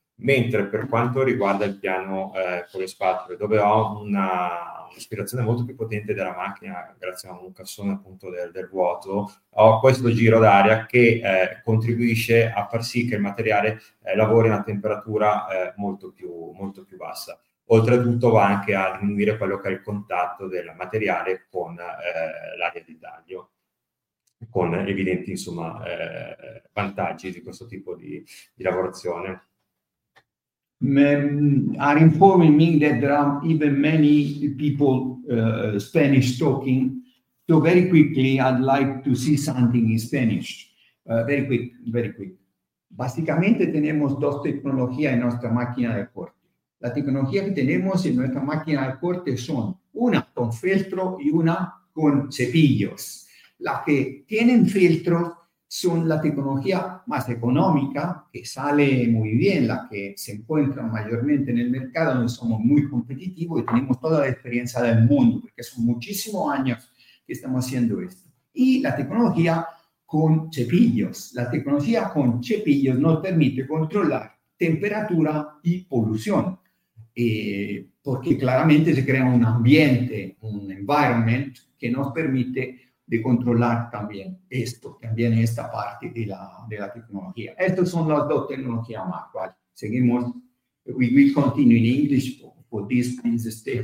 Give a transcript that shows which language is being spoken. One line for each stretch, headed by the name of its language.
Italian: Mentre per quanto riguarda il piano con le spatole, dove ho un'aspirazione molto più potente della macchina, grazie a un cassone appunto del vuoto, ho questo giro d'aria che contribuisce a far sì che il materiale lavori a una temperatura molto più bassa. Oltretutto va anche a diminuire quello che è il contatto del materiale con l'area di taglio, con evidenti, insomma, vantaggi di questo tipo di lavorazione.
English: Are informing me that there are even many people Spanish talking. So very quickly, I'd like to see something in Spanish. Very quick.
Spanish: Básicamente tenemos dos tecnologías en nuestra máquina de corte. La tecnología que tenemos en nuestra máquina de corte son una con filtro y una con cepillos. Las que tienen filtros son la tecnología más económica, que sale muy bien, las que se encuentran mayormente en el mercado, donde somos muy competitivos y tenemos toda la experiencia del mundo, porque son muchísimos años que estamos haciendo esto. Y la tecnología con cepillos. La tecnología con cepillos nos permite controlar temperatura y polución. Porque claramente se crea un ambiente, un environment que nos permite de controlar también esto, también esta parte de la tecnología. Estas son las dos tecnologías más. ¿Vale? Seguimos.
English: We will continue in English for this step.